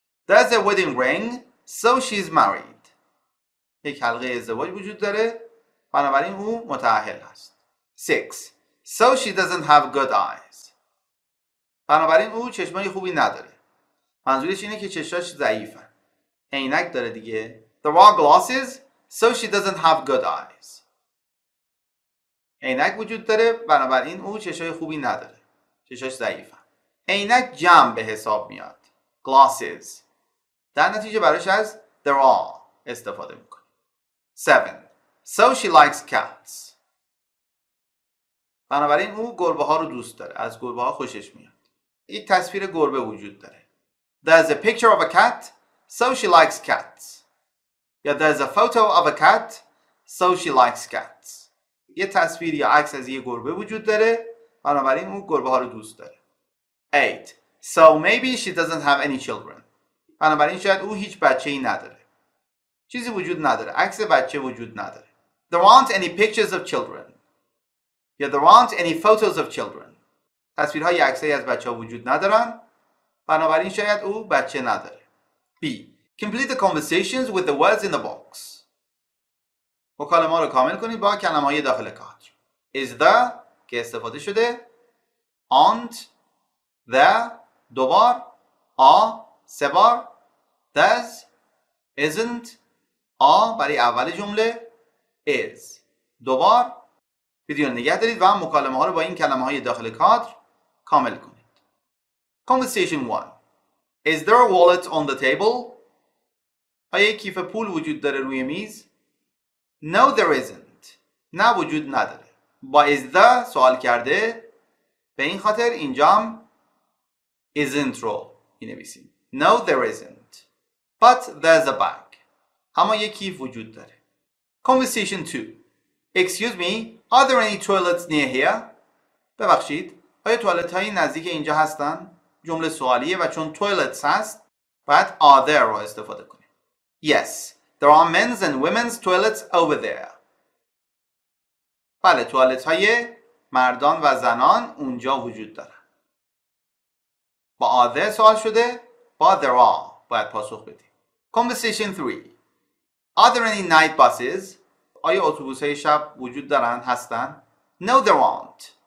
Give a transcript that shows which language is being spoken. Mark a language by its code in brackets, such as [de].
[en] There's a wedding ring, so she's married. [fa] یک حلقه ازدواج وجود داره، بنابراین او متأهل هست. [en] 6. So she doesn't have good eyes. [fa] بنابراین او چشمای خوبی نداره. منظورش اینه که چشماش ضعیفن. عینک داره دیگه. [en] There are glasses, so she doesn't have good eyes. [fa] عینک وجود داره، بنابراین او چشمای خوبی نداره. چشماش ضعیفن. عینک جمع به حساب میاد. Glasses. در نتیجه براش از there are استفاده میکنه. [en] 7. So she likes cats. [fa] بنابراین او گربه ها رو دوست داره. از گربه ها خوشش میاد. این تصویر گربه وجود داره. [en] There's a picture of a cat, so she likes cats. یا there's a photo of a cat, so she likes cats. [fa] یه تصویر یا عکس از یه گربه وجود داره، بنابراین او گربه ها رو دوست داره. [en] 8. So maybe she doesn't have any children. [fa] بنابراین شاید او هیچ بچه ای نداره. چیزی وجود نداره. عکس بچه وجود نداره. [en] There aren't any pictures of children. Yeah, there aren't any photos of children. [fa] تصویرهای یا عکسی از بچه ها وجود ندارن. بنابراین شاید او بچه نداره. [en] B. Complete the conversations with the words in the box. [fa] مکالمه رو کامل کنید با کلمه های داخل کارت. Is there که استفاده شده. Aren't. There. دوبار. Are. سه بار. Does. Isn't. Are برای اول جمله. Is. دوبار ویدیو نگه دارید و مکالمه ها رو با این کلمه های داخل کادر کامل کنید. [en] Conversation 1. Is there a wallet on the table? [fa] آیا کیف پول وجود داره روی میز؟ [en] No, there isn't. [fa] نه وجود نداره. با is there سوال کرده، به این خاطر اینجا هم isn't رو می نویسیم. [en] No, there isn't. But there's a bag. [fa] اما یک کیف وجود داره. [en] Conversation 2. Excuse me, are there any toilets near here? [fa] ببخشید، آیا توالت‌های نزدیک اینجا هستن؟ جمله سوالیه و چون toilets هست، باید are there رو استفاده کنیم. [en] Yes, there are men's and women's toilets over there. [fa] بله، توالت‌های مردان و زنان اونجا وجود دارن. با are there سوال شده، با there are باید پاسخ بدیم. [en] Conversation 3. Are there any night buses? [fa] آیا اتوبوس‌های شب وجود دارن هستن؟ [en] No, there aren't.